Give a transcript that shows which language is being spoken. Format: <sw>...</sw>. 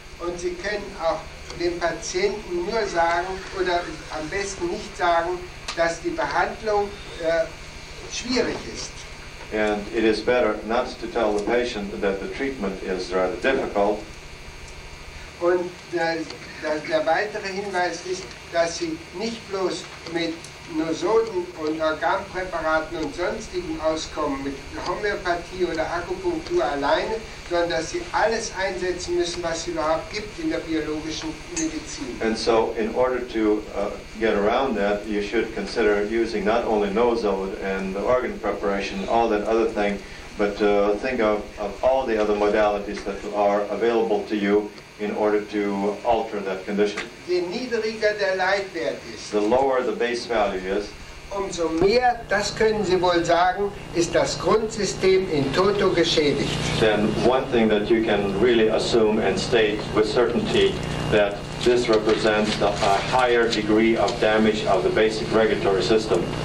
<de>Und Sie können auch dem Patienten nur sagen, oder am besten nicht sagen, dass die Behandlung schwierig ist.</de> <en>And it is better not to tell the patient that the treatment is rather difficult.</en> <de>Und der weitere Hinweis ist, dass Sie nicht bloß mit Nosoden und Organpräparaten und sonstigen auskommen, mit Homöopathie oder Akupunktur alleine, sondern dass Sie alles einsetzen müssen, was es überhaupt gibt in der biologischen Medizin.</de> <en>And so, in order to get around that, you should consider using not only Nosode and the organ preparation, all that other thing, but think of all the other modalities that are available to you in order to alter that condition.</en> <de>Je niedriger der Leitwert ist,</de> <en>the lower the base value is,</en> <de>umso mehr, das können Sie wohl sagen, ist das Grundsystem in toto geschädigt.</de> <en>Then one thing that you can really assume and state with certainty that this represents a higher degree of damage of the basic regulatory system.</en>